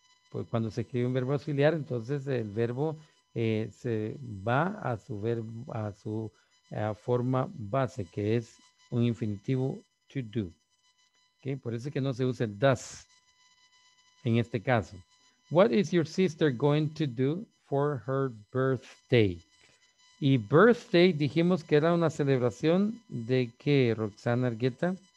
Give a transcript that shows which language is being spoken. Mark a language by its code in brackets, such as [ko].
[es] Pues cuando se escribe un verbo auxiliar, entonces el verbo se va a su verbo, a su forma base, que es un infinitivo to do. ¿Okay? Por eso es que no se usa does en este caso. [en] What is your sister going to do for her birthday? [es] Y birthday dijimos que era una celebración de qué, Roxana Argueta.